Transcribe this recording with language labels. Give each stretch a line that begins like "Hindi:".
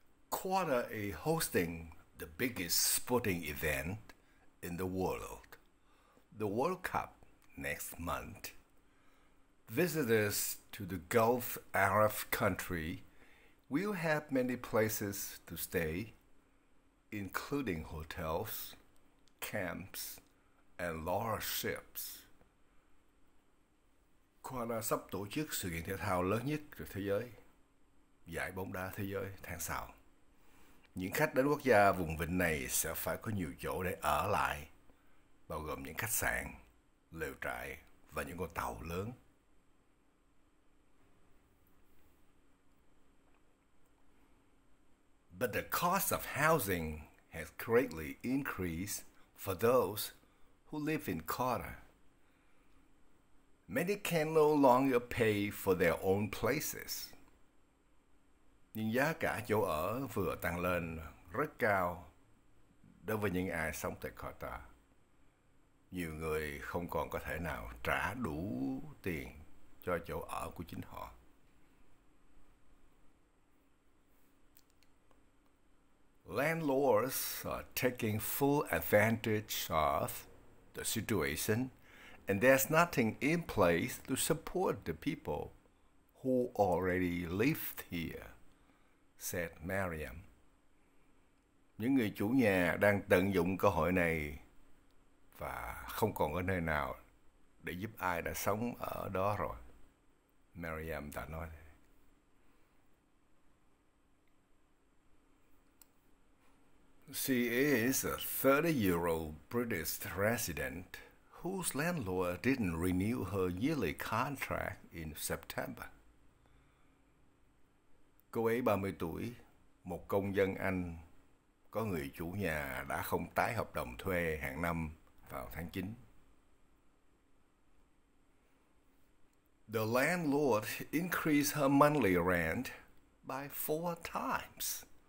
English: Qatar is hosting the biggest sporting event in the world, the World Cup, next month. Visitors to the Gulf Arab country will have many places to stay, including hotels, camps, and large ships.
Vietnamese: Qatar sắp tổ chức sự kiện thể thao lớn nhất của thế giới, giải bóng đá thế giới tháng sau. Những khách đến quốc gia vùng vịnh này sẽ phải có nhiều chỗ để ở lại, bao gồm những khách sạn, lều trại và những con tàu lớn.
English: But the cost of housing has greatly increased for those who live in Qatar. Many can no longer pay for their own places.
Vietnamese: Nhưng giá cả chỗ ở vừa tăng lên rất cao đối với những ai sống tại Qatar. Nhiều người không còn có thể nào trả đủ tiền cho chỗ ở của chính họ.
English: Landlords are taking full advantage of the situation, and there's nothing in place to support the people who already lived here, said Mariam.
Vietnamese: Những người chủ nhà đang tận dụng cơ hội này và không còn có nơi nào để giúp ai đã sống ở đó rồi, Mariam đã nói.
English: She is a 30-year-old British resident whose landlord didn't renew her yearly contract in September.
Vietnamese: Cô ấy 30 tuổi, một công dân Anh có người chủ nhà đã không tái hợp đồng thuê hàng năm vào tháng 9.
English: The landlord increased her monthly rent by 4 times.